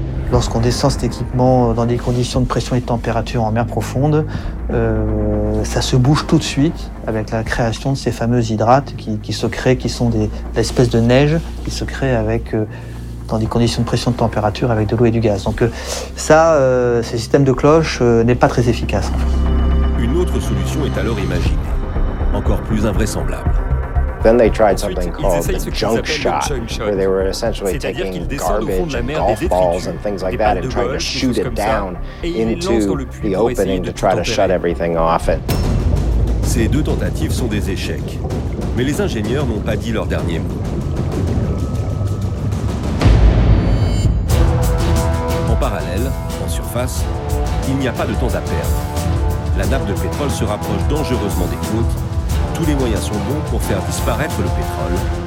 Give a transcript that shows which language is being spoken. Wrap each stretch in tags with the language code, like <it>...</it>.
<fr>Lorsqu'on descend cet équipement dans des conditions de pression et de température en mer profonde, ça se bouge tout de suite avec la création de ces fameuses hydrates qui se créent, qui sont des espèces de neige qui se créent avec, dans des conditions de pression et de température avec de l'eau et du gaz. Donc ce système de cloche n'est pas très efficace. Une autre solution est alors imaginée, encore plus invraisemblable.</fr> <en>Then they tried something called the junk shot, where they were essentially taking garbage and golf balls and things like that and trying to shoot it down into the opening to try to shut everything off.</en> <fr>Ces deux tentatives sont des échecs, mais les ingénieurs n'ont pas dit leur dernier mot. En parallèle, en surface, il n'y a pas de temps à perdre. La nappe de pétrole se rapproche dangereusement des côtes. Tous les moyens sont bons pour faire disparaître le pétrole.</fr>